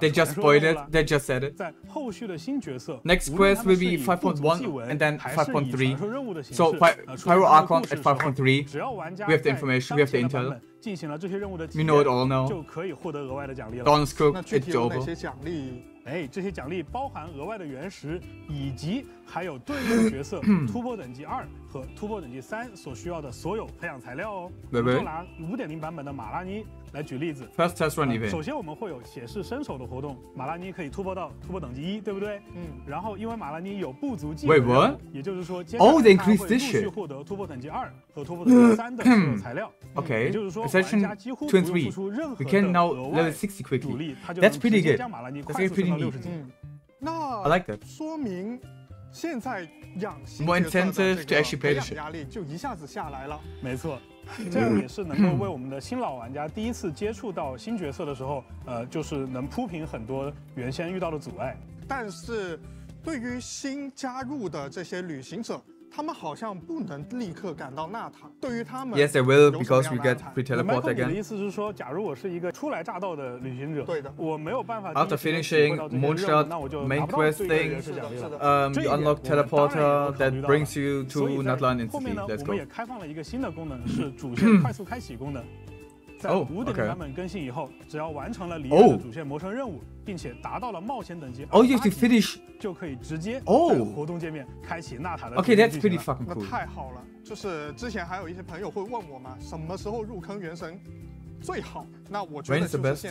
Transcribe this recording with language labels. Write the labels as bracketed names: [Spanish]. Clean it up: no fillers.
[English] They just spoiled it They just said it [Chinese] 在后续的新角色 [English] Next quest will be 5.1 And then 5.3 So Pyro Archon at 5.3 We have the information, we have the intel We know it all now Dawn's Cook, it's over [Chinese] 这些奖励包含额外的原石以及还有对应的角色突破等级2和突破等级3所需要的所有培养材料哦就拿 5.0 版本的马拉尼来举例子 [English] First test run event [Chinese] 首先我们会有写示身手的活动马拉尼可以突破到突破等级1对不对然后因为马拉尼有不足技能 [English] Wait, what? [Chinese] 也就是说接下来他会陆续获得突破等级2和突破等级3的所有材料 [English] OK [Chinese] 也就是说玩家几乎不用付出任何的额外努力 [English] We can now level 60 quickly [Chinese] 他就能直接将马拉尼快速升到60级那 [English] I like that [Chinese] 说明现在养新角色的这个培养压力就一下子下来了, 没错这样也是能够为我们的新老玩家第一次接触到新角色的时候就是能铺平很多原先遇到的阻碍但是对于新加入的这些旅行者他们好像不能立刻赶到纳塔对于他们 [English] Yes, they will because we get free teleport again [Chinese] 你的意思是说假如我是一个初来乍到的旅行者对的我没有办法 [English] After finishing Moonshot main quest thing you unlock teleporter that brings you to Natlan Institute [Chinese] 后面呢我们也开放了一个新的功能是主线快速开启功能在 5.0 版本更新以后只要完成了里面的主线魔城任务并且达到了冒险等级 [English] you have to finish [Chinese] 就可以直接在活动界面开启纳塔的 [English] OK that's pretty fucking cool [Chinese] 那太好了就是之前还有一些朋友会问我嘛什么时候入坑原神最好那我觉得就是现在